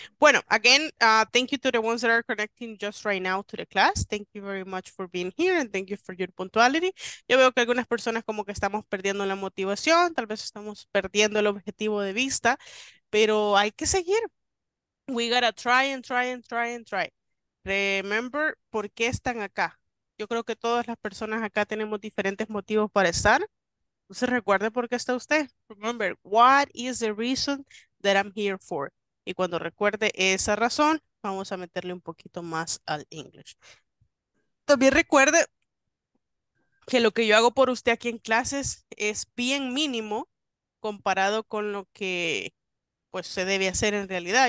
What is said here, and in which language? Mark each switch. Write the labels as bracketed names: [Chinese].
[English] Bueno, again, thank you to the ones that are connecting just right now to the class. Thank you very much for being here and thank you for your punctuality. [Spanish] Yo veo que algunas personas como que estamos perdiendo la motivación, tal vez estamos perdiendo el objetivo de vista, pero hay que seguir. [English] We gotta try and try and try and try. Remember, [Spanish] ¿por qué están acá? Yo creo que todas las personas acá tenemos diferentes motivos para estar. Entonces recuerde por qué está usted. [English] Remember, what is the reason that I'm here for? [Spanish] Y cuando recuerde esa razón, vamos a meterle un poquito más al English. También recuerde que lo que yo hago por usted aquí en clases es bien mínimo comparado con lo que pues se debe hacer en realidad.